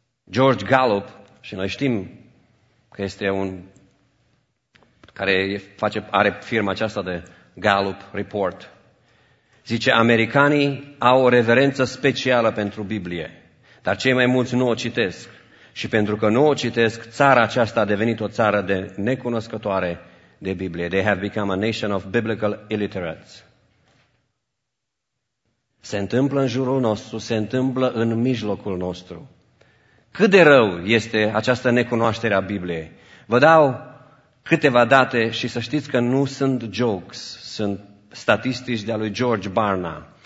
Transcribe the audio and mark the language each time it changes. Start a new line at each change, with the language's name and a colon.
Romanian: George Gallup, și noi știm că este un care are firma aceasta de Gallup Report, zice, americanii au o reverență specială pentru Biblie, dar cei mai mulți nu o citesc. Și pentru că nu o citesc, țara aceasta a devenit o țară de necunoscătoare de Biblie.
English: They have become a nation of biblical illiterates.
Romanian: Se întâmplă în jurul nostru, se întâmplă în mijlocul nostru. Cât de rău este această necunoaștere a Bibliei? Vă dau câteva date și să știți că nu sunt jokes, sunt statistici de-a lui George Barna.